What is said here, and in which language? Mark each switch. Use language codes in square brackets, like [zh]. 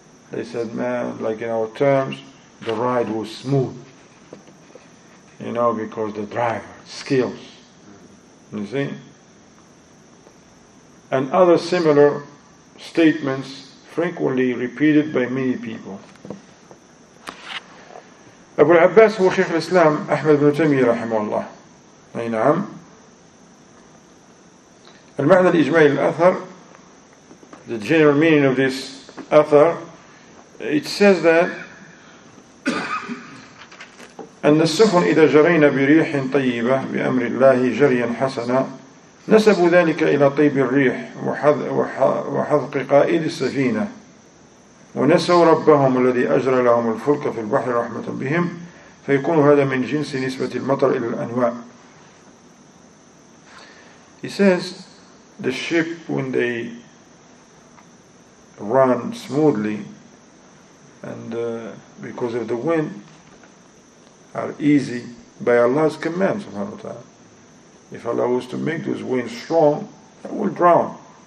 [en] They said, man, like in our terms, the ride was smooth. You know, because the driver, skills. You see? And other similar statements frequently repeated by many people. [ar] Abu al-Abbas هو شيخ الإسلام أحمد بن تيمية رحمه الله. أي نعم. المعنى الإجمالي للأثر, [en] the general meaning of this [ar] أثر, it says that أن السفن إذا جرينا بريح طيبة بأمر الله جريا حسنا نسبوا ذلك إلى طيب الريح وحذق قائد السفينة ونسوا ربهم الذي أجرى لهم الفلك في البحر رحمة بهم فيكون هذا من جنس نسبة المطر إلى الأنواع. [en] He says the ship when they run smoothly and because of the wind are easy by Allah's command, subhanahu wa ta'ala. If Allah was to make those winds strong, they will drown.